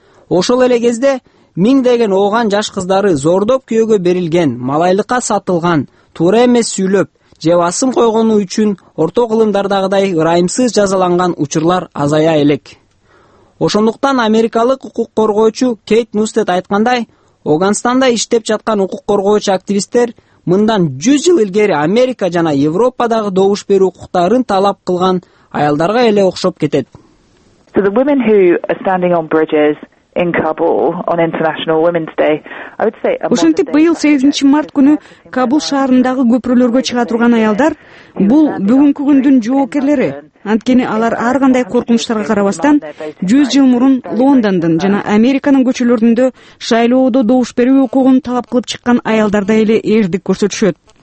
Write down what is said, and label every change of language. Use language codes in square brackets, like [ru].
[ky] Ошол эле кезде миңдеген ооган жаш кыздары зордоп күйөөгө берилген, малайлыкка сатылган, туура эмес сүйлөп же басым койгону үчүн орто кылымдардагыдай ырайымсыз жазаланган учурлар азая элек. Ошондуктан америкалык укук коргоочу Кейт Нустед айткандай, Ооганстанда иштеп жаткан укук коргоочу активисттер мындан 100 жыл илгери Америка жана Европадагы добуш берүү укуктарын талап кылган аялдарга эле окшоп кетет. [en] So the women who are standing on bridges in Kabul on International Women's Day. I would say [ky] ошентип быйыл 8 март күнү Кабул шаарындагы көпүрлөргө чыга турган аялдар бул бүгүнкү күндүн жоокерлери. Анткени алар ар кандай коркунучтарга карабастан 100 жыл мурун Лондондун жана Американын көчөлөрүндө шайлоодо добуш берүү укугун талап кылып чыккан аялдардай эле эрдик көрсөтүшөт.